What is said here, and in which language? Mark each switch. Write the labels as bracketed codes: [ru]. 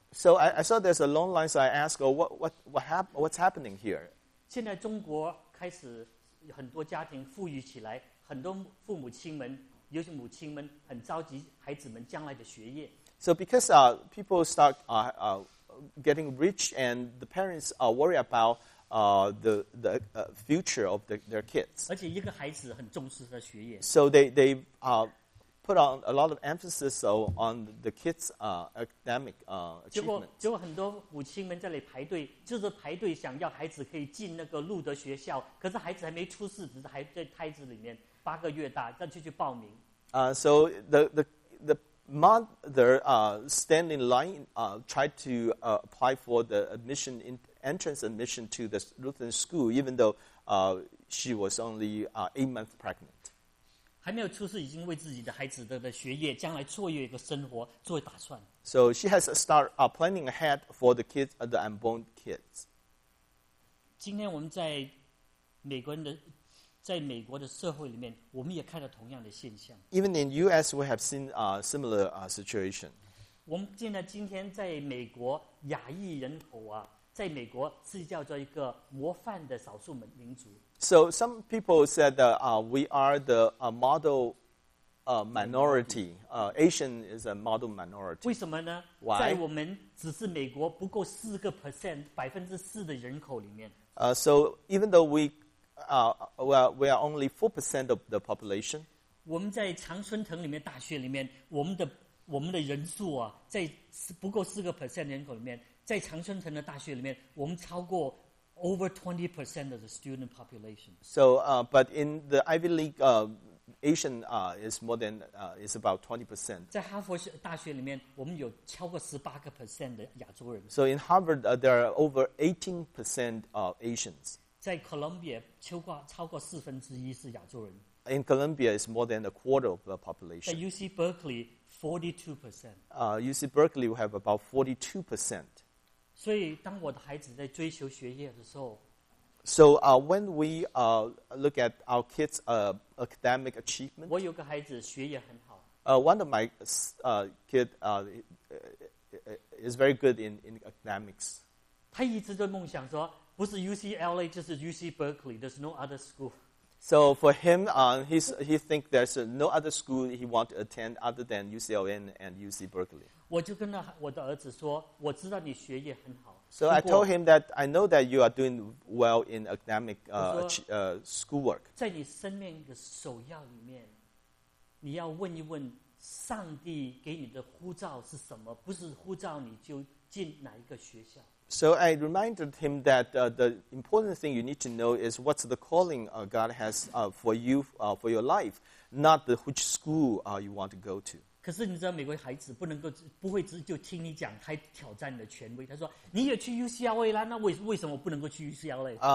[en] So I saw there's a long line. So I ask, what's happening here? [zh] 现在中国开始很多家庭富裕起来，很多父母亲们，尤其母亲们很着急孩子们将来的学业。 [en] So because people start getting rich, and the parents are worried about. The future of their kids. [zh] 而且一个孩子很重视他学业。 [en] So they put on a lot of emphasis on the kids' academic achievements. [zh] 结果很多母亲们在那里排队，就是排队想要孩子可以进那个路德学校，可是孩子还没出世，只是还在胎子里面，八个月大，再去报名。 [en] So the mother standing in line tried to apply for the admission in. Entrance admission to the Lutheran school, even though she was only 8 months pregnant. [zh] 还没有出世，已经为自己的孩子的学业、将来作业一个生活做打算。 [en] So she has started planning ahead for the kids, the unborn kids. [zh] 今天我们在美国的，在美国的社会里面，我们也看到同样的现象。 [en] Even in U.S., we have seen a similar situation. [zh] 我们见到今天在美国亚裔人口啊。在美国是叫做一个模范的少数民族。 [en] So some people said that we are the model minority. Asian is a model minority. [zh] 为什么呢？ [en] Why? [zh] 在我们只是美国不够4%4%的人口里面。 [en] So even though we are only 4% of the population. [zh] 我们在常春藤里面大学里面，我们的人数啊，在不够4%的人口里面。在常春藤的大学里面，我们超过 [en] over 20% of the student population. So, but in the Ivy League, Asian is more than is about 20%. [zh] 在哈佛大学里面，我们有超过18%的亚洲人。 [en] So in Harvard, there are over 18% of Asians. [zh] 在 Columbia, 超过四分之一是亚洲人。 [en] In Columbia, it's more than a quarter of the population. At UC Berkeley, 42%. UC Berkeley, we have about 42%. [zh] 所以当我的孩子在追求学业的时候 [en] So when we look at our kids' academic achievement, [zh] 我有个孩子学业很好。 [en] One of my kids is very good in academics. [zh] 他一直在梦想说，不是 UCLA 就是 UC Berkeley, [en] there's no other school. So for him, he thinks there's no other school he wants to attend other than UCLA and UC Berkeley. [zh] 我就跟我的儿子说，我知道你学业很好。 [en] So I told him that I know that you are doing well in academic schoolwork. [zh] 在你生命的首要里面，你要问一问上帝给你的呼召是什么，不是呼召你就进哪一个学校。 [en] So I reminded him that the important thing you need to know is what's the calling God has for you, for your life, not the which school you want to go to. [zh] 可是你知道美国孩子不能够不会只就听你讲，还挑战你的权威。他说你也去 UCLA 啦，那为什么不能够去 UCLA？